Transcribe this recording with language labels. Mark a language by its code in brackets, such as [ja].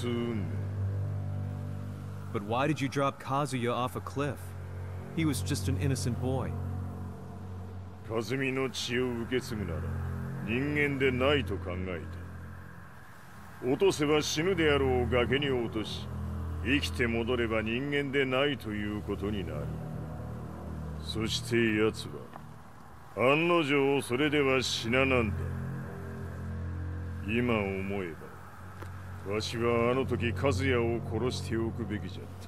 [ja] もともとは死を殺すために三島家に送られた女。ならば、花から殺す運命。 [en] But why did you drop Kazuya off a cliff? He was just an innocent boy. [ja] カズミの血を受け継ぐなら人間でないと考えた。落とせば死ぬであろう崖に落とし、 生きて戻れば人間でないということになる。そして奴は、案の定それでは死ななんだ。今思えば、わしはあの時和也を殺しておくべきじゃっ